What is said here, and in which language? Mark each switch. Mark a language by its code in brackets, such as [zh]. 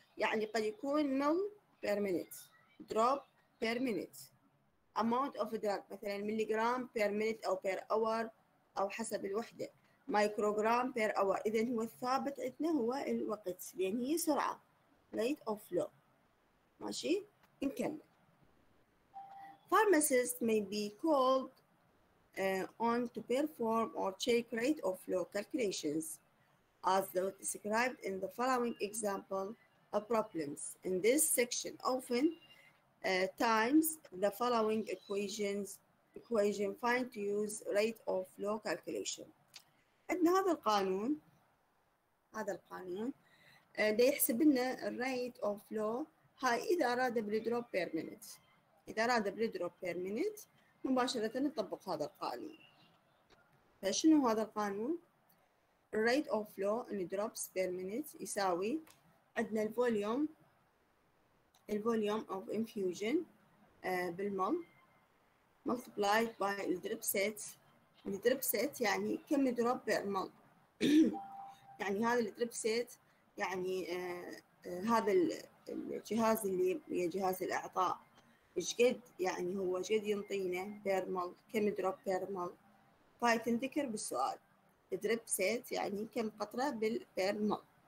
[ar] يعني قد يكون نل بير مينيت، دروب بير مينيت، amount of drug مثلا مليغرام بير مينيت او بير اور او حسب الوحده، مايكروغرام بير اور. اذا هو الثابت عندنا هو الوقت، لان هي سرعه ريت اوف فلو. ماشي نكمل. [en] Pharmacist may be called on to perform or check rate of flow calculations as though described in the following example of problems in this section. Often times the following equation find to use rate of flow calculation. [ar] عندنا هذا القانون، هذا القانون ده يحسب لنا rate of flow هاي إذا أراد بالدروب بير مينيت. إذا أراد بالدروب بير مينيت مباشرة نطبق هذا القانون. فشنو هذا القانون؟ [en] rate of flow in drops per minute [ar] يساوي عندنا الفوليوم [en] of infusion بالمل multiplied by the drip set. The drip set [ar] يعني كم [en] drop per مل. [ar] يعني هذا الدريب سيت يعني هذا الجهاز اللي هي جهاز الإعطاء إيش قد يعني هو إيش قد ينطينا بيرمال، كم دروب بيرمال. فهي تنذكر بالسؤال دريب سيت يعني كم قطرة بالبيرمال.